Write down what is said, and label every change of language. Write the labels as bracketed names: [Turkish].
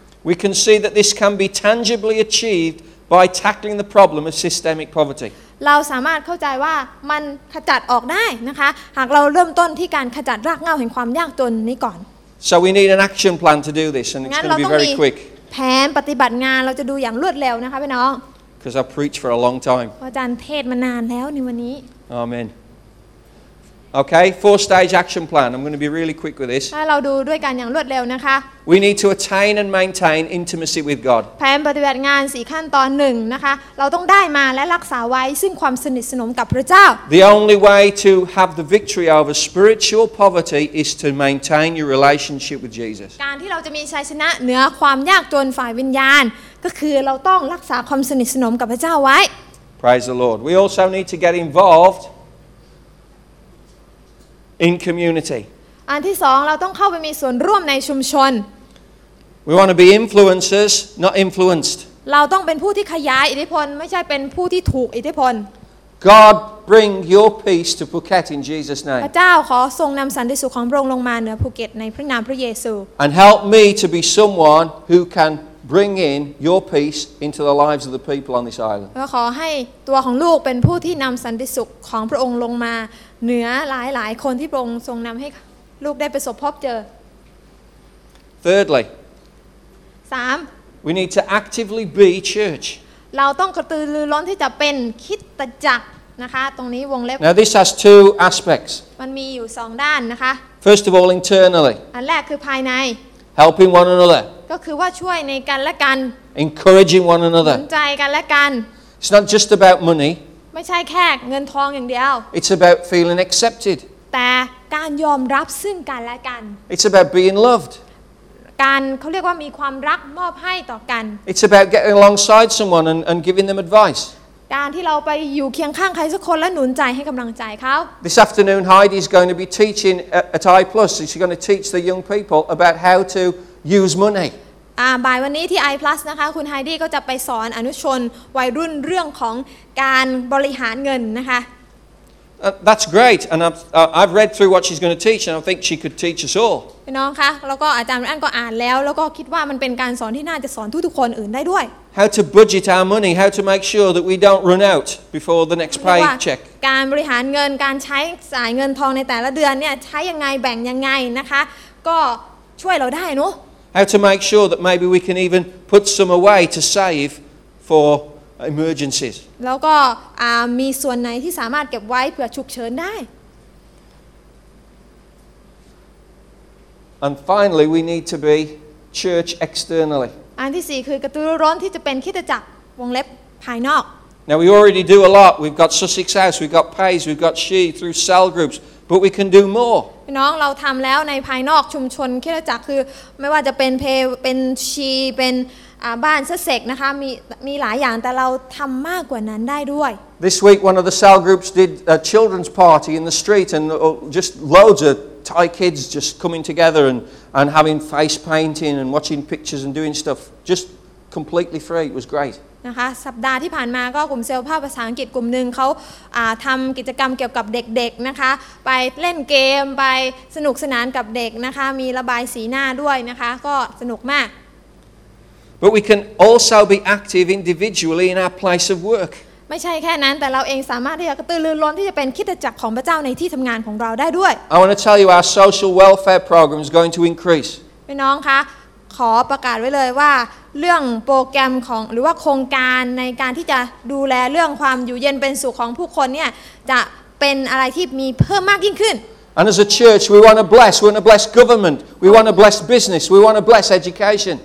[English] We can see that this can be tangibly achieved by tackling the problem of systemic poverty [Thai] เราสามารถเข้าใจว่ามันขจัดออกได้นะคะหากเราเริ่มต้นที่การขจัดรากเหง้าแห่งความยากจนนี้ก่อน [English] So we need an action plan to do this and it's going to be very quick [Thai] แผนปฏิบัติงานเราจะดูอย่างรวดเร็วนะคะพี่น้อง [English] Because I preach for a long time. [Thai] อาจารย์เทศมานานแล้วในวันนี้ [English] Amen. Okay, 4-stage action plan. I'm going to be really quick with this. [Thai] ให้เราดูด้วยกันอย่างรวดเร็วนะคะ [English] We need to attain and maintain intimacy with God. [Thai] แผนปฏิบัติงาน4ขั้นตอน1นะคะเราต้องได้มาและรักษาไว้ซึ่งความสนิทสนมกับพระเจ้า [English] The only way to have the victory over spiritual poverty is to maintain your relationship with Jesus. [Thai] การที่เราจะมีชัยชนะเหนือความยากจนฝ่ายวิญญาณก็คือเราต้องรักษาความสนิทสนมกับพระเจ้าไว้ [English] Praise the Lord We also need to get involved in community [Thai] อันที่สองเราต้องเข้าไปมีส่วนร่วมในชุมชน [English] We want to be influencers not influenced [Thai] เราต้องเป็นผู้ที่ขยายอิทธิพลไม่ใช่เป็นผู้ที่ถูกอิทธิพล [English] God bring your peace to Phuket in Jesus name [Thai] พระเจ้าขอทรงนำสันติสุขของพระองค์ลงมาเหนือภูเก็ตในพระนามพระเยซู [English] And help me to be someone who canBring in your peace into the lives of the people on this island. [Thai] ก็ขอให้ตัวของลูกเป็นผู้ที่นำสันติสุขของพระองค์ลงมาเหนือหลายๆคนที่พระองค์ทรงนำให้ลูกได้ประสบพบเจ [English] อ Thirdly, 3. We need to actively be church. [Thai] เราต้องกระตือรือร้นที่จะเป็นคริสตจักรนะคะตรงนี้วงเล็บ [English] Now this has two aspects. [Thai] มันมีอยู่สองด้านนะคะ [English] First of all, internally. [Thai] อันแรกคือภายใน [English] helping one another [Thai] ก็คือว่าช่วยในกันและกัน [English] encouraging one another [Thai] หนุนใจกันและกัน [English] it's not just about money [Thai] ไม่ใช่แค่เงินทองอย่างเดียว [English] it's about feeling accepted [Thai] แต่การยอมรับซึ่งกันและกัน [English] it's about being loved [Thai] การเขาเรียกว่ามีความรักมอบให้ต่อกัน [English] it's about getting alongside someone and giving them advice [Thai] การที่เราไปอยู่เคียงข้างใครสักคนและหนุนใจให้กำลังใจเขา [English] This afternoon Heidi's going to be teaching at I Plus she's going to teach the young people about how to use money [Thai] บ่ายวันนี้ที่ I Plus นะคะคุณ Heidi ก็จะไปสอนอนุชนวัยรุ่นเรื่องของการบริหารเงินนะคะ [English] That's great and I've read through what she's going to teach and I think she could teach us all [Thai] น้องคะแล้วก็อาจารย์อันก็อ่านแล้วแล้วก็คิดว่ามันเป็นการสอนที่น่าจะสอนทุกๆคนอื่นได้ด้วย [English] How to budget our money how to make sure that we don't run out before the next paycheck [Thai] การบริหารเงินการใช้จ่ายเงินทองในแต่ละเดือนเนี่ยใช้ยังไงแบ่งยังไงนะคะก็ช่วยเราได้เนาะ [English] How to make sure that maybe we can even put some away to save foremergencies [Thai] แล้วก็มีส่วนไหนที่สามารถเก็บไว้เผื่อฉุกเฉินได้ [English] And finally we need to be church externally [Thai] อันที่4คือกระตือร้นที่จะเป็นคริสตจักรวงเล็บภายนอก [English] Now we already do a lot we've got Sussex House we've got Pays we've got She through cell groups but we can do more [Thai] พี่น้องเราทำแล้วในภายนอกชุมชนคริสตจักรคือไม่ว่าจะเป็นเป็นชีเป็นบ้านเสกนะคะมีหลายอย่างแต่เราทำมากกว่านั้นได้ด้วย [English] This week one of the cell groups did a children's party in the street and just loads of Thai kids just coming together and having face painting and watching pictures and doing stuff just completely free it was great [Thai] นะคะสัปดาห์ที่ผ่านมาก็กลุ่มเซลล์ภาพภาษาอังกฤษกลุ่มนึงเขาทำกิจกรรมเกี่ยวกับเด็กๆนะคะไปเล่นเกมไปสนุกสนานกับเด็กนะคะมีระบายสีหน้าด้วยนะคะก็สนุกมาก [English] But we can also be active individually in our place of work. [Thai] ม่ใช่แค่นั้นแต่เราเองสามารถที่จะกระตือรือร้นที่จะเป็นคริสตจักรของพระเจ้าในที่ทำงานของเราได้ด้วย [English] I want to tell you our social welfare program is going to increase [Thai] พี่น้องคะขอประกาศไว้เลยว่าเรื่องโปรแกรมของหรือว่าโครงการในการที่จะดูแลเรื่องความอยู่เย็นเป็นสุขของผู้คนเนี่ยจะเป็นอะไรที่มีเพิ่มมากยิ่งขึ้น [English] And as a church we want to bless government we want to bless business we want to bless education